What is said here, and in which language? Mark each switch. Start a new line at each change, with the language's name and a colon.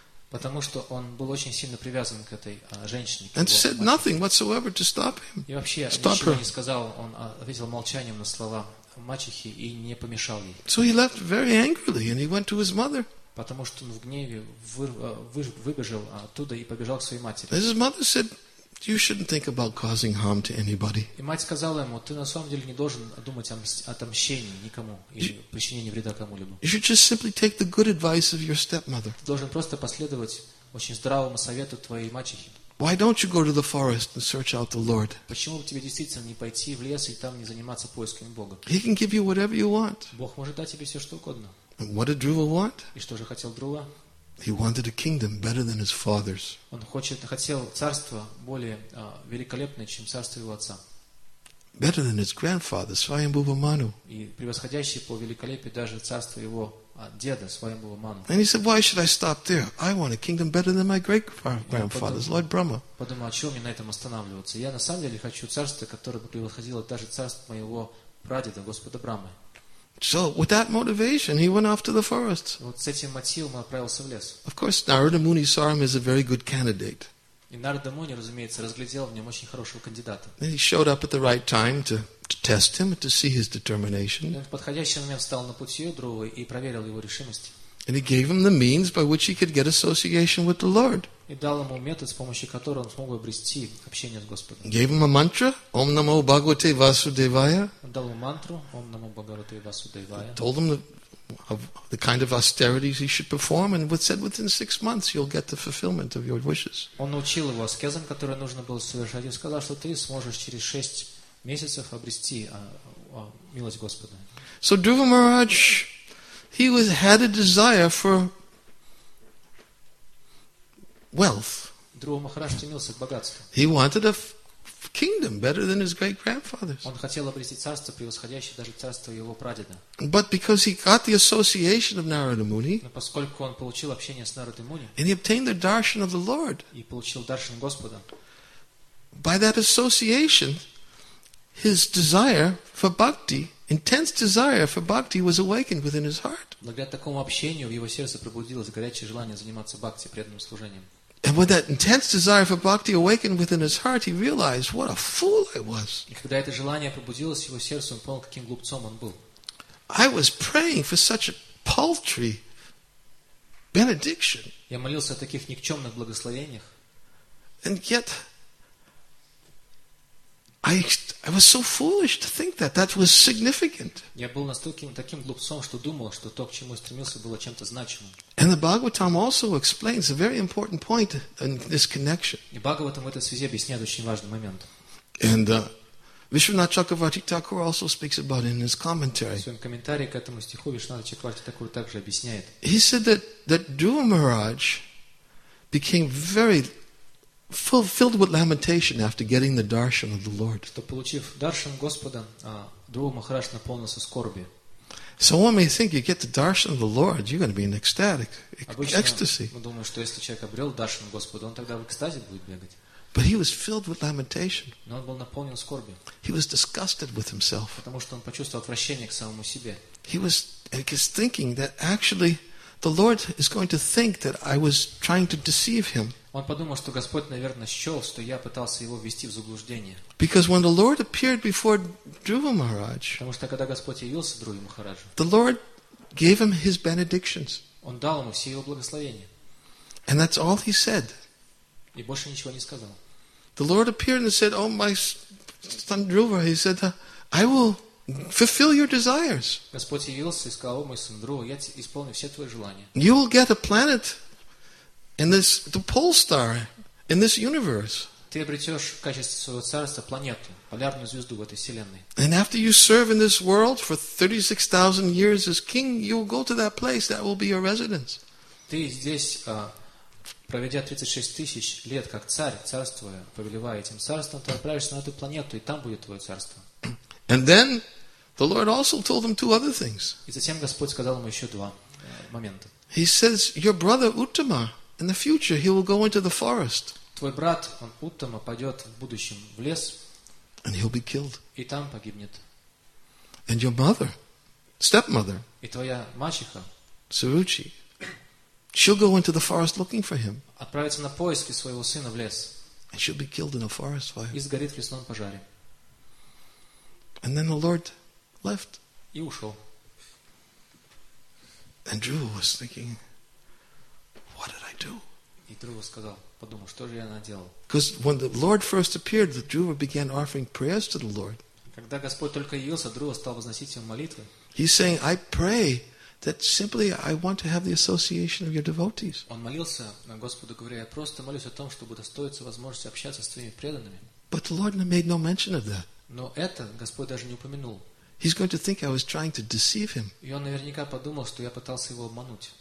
Russian: Потому что он был очень сильно привязан к этой женщине.
English: And said nothing whatsoever to stop him.
Russian: И вообще ничего не сказал, он ответил молчанием на слова мачехи и не помешал ей.
English: So he left very angrily and he went to his mother.
Russian: Потому что он в гневе выбежал оттуда и побежал к своей матери.
English: His mother said, "You shouldn't think about causing harm to anybody."
Russian: И мать сказала ему, ты на самом деле не должен думать о отмщении никому или причинении вреда кому-либо.
English: You should just simply take the good advice of your stepmother.
Russian: Ты должен просто последовать очень здравому совету твоей мачехи.
English: Why don't you go to the forest and search out the Lord?
Russian: Почему бы тебе действительно не пойти в лес и там не заниматься поисками Бога?
English: He can give you whatever you want.
Russian: Бог может дать тебе все, что угодно.
English: And what did Dhruva want?
Russian: И что же хотел Друва?
English: He wanted a kingdom better than his father's.
Russian: Он хотел царство более великолепное, чем царство его отца.
English: Better than his grandfather, Swayambhuva Manu.
Russian: И превосходящее по великолепию даже царство его деда, Свайамбхува Ману.
English: And he said, "Why should I stop there? I want a kingdom better than my great-grandfather's, Lord Brahma."
Russian: Подумал, о чем мне на этом останавливаться? Я на самом деле хочу царство, которое бы превосходило даже царство моего прадеда, Господа Брамы.
English: So, with that motivation, he went off to the forest.
Russian: Вот с этим мотивом он отправился в лес.
English: Of course, Narada Muni saw him as a very good candidate.
Russian: И Нарада Муни, разумеется, разглядел в нем очень хорошего кандидата.
English: And he showed up at the right time to test him, to see his determination.
Russian: Он в подходящий момент встал на пути у Друвы и проверил его решимость.
English: And he gave him the means by which he could get association with the Lord.
Russian: И дал ему метод, с помощью которого он смог обрести общение с Господом.
English: Gave him a mantra,
Sanskrit: Om Namo Bhagavate Vasudevaya.
Russian: Он дал ему мантру,
Sanskrit: Om Namo Bhagavate Vasudevaya.
English: Told him the kind of austerities he should perform, and said, within 6 months you'll get the fulfillment of your wishes.
Russian: Он научил его аскезам, которые нужно было совершать, и сказал, что ты сможешь через 6 месяцев обрести милость Господа.
English: So Dhruva Maharaj, he was had a desire for wealth.
Russian: Dhruva Maharaj стремился к богатству.
English: He wanted a kingdom better than his great grandfather's.
Russian: Он хотел обрести царство, превосходящее даже царство его прадеда.
English: But because he got the association of Narada Muni,
Russian: но поскольку он получил общение с Нарадой Муни,
English: and he obtained the darshan of the Lord,
Russian: и получил даршан Господа,
English: by that association, his desire for bhakti, intense desire for bhakti, was awakened within his heart.
Russian: Благодаря такому общению в его сердце пробудилось горячее желание заниматься бхакти, преданным служением.
English: And when that intense desire for bhakti awakened within his heart, he realized what a fool I was.
Russian: И когда это желание пробудилось в его сердце, он понял, каким глупцом он был.
English: I was praying for such a paltry benediction.
Russian: Я молился о таких никчемных благословениях.
English: And yet, I was so foolish to think that that was significant.
Russian: Я был настолько таким глупцом, что думал, что то, к чему стремился, было чем-то значимым.
English: And the Bhagavatam also explains a very important point in this connection.
Russian: И Бхагаватам в этой связи объясняет очень важный момент.
English: And Vishwanath Chakravarti Thakur also speaks about it in his commentary.
Russian: В своем комментарии к этому стиху Вишванат Чакраварти Такур также объясняет.
English: He said that Dhruva Maharaj became very filled with lamentation after getting the darshan of the Lord.
Russian: Что получив даршан Господа, Друва Махарадж наполнился скорби.
English: So one may think, you get the darshan of the Lord, you're going to be in ecstatic, ecstasy.
Russian: Мы думаем, что если человек обрел даршан Господа, он тогда в экстазе будет бегать.
English: But he was filled with lamentation.
Russian: Но он был наполнен скорби.
English: He was disgusted with himself.
Russian: Потому что он почувствовал отвращение к самому себе.
English: He was thinking that actually the Lord is going to think that I was trying to deceive him.
Russian: Он подумал, что Господь, наверное, счел, что я пытался его ввести в заблуждение.
English: Because when the Lord appeared before Dhruva Maharaj,
Russian: потому что когда Господь явился Дхруве Махараджу,
English: the Lord gave him his benedictions.
Russian: Он дал ему все его благословения.
English: And that's all he said.
Russian: И больше ничего не сказал.
English: The Lord appeared and said, "Oh my son Dhruva," he said, "I will fulfill your desires."
Russian: Господь явился и сказал: "О мой сын Дхрува, я исполню все твои желания."
English: You will get a planet in this, the pole star in this universe.
Russian: Ты обретешь в качестве своего царства планету, полярную звезду в этой вселенной.
English: And after you serve in this world for 36,000 years as king, you will go to that place that will be your residence.
Russian: Ты здесь, проведя 36 тысяч лет как царь, царствуя, повелевая этим царством, ты отправишься на эту планету, и там будет твое царство.
English: And then the Lord also told him two other things.
Russian: И затем Господь сказал ему еще два момента.
English: He says, your brother Uttama, in the future, he will go into the forest.
Russian: Твой брат, он Уттама, пойдет в будущем в лес.
English: And he'll be killed.
Russian: И там погибнет.
English: And your mother, stepmother,
Russian: и твоя мачеха,
English: Саручи, she'll go into the forest looking for him.
Russian: Отправится на поиски своего сына в лес.
English: And she'll be killed in a forest fire.
Russian: И сгорит в лесном пожаре.
English: And then the Lord left.
Russian: И ушел.
English: And Dhruva was thinking, what did I do?
Russian: И Друва сказал, подумал, что же я наделал?
English: Because when the Lord first appeared, the Dhruva began offering prayers to the Lord.
Russian: Когда Господь только явился, Друва стал возносить ему молитвы.
English: He's saying, I pray that simply I want to have the association of your devotees.
Russian: Он молился на Господу, говоря, я просто молюсь о том, чтобы удостоиться возможности общаться с твоими преданными.
English: But the Lord made no mention of that.
Russian: Но это Господь даже не упомянул.
English: He's going to think I was trying to deceive him.
Russian: И он наверняка подумал, что я пытался его обмануть.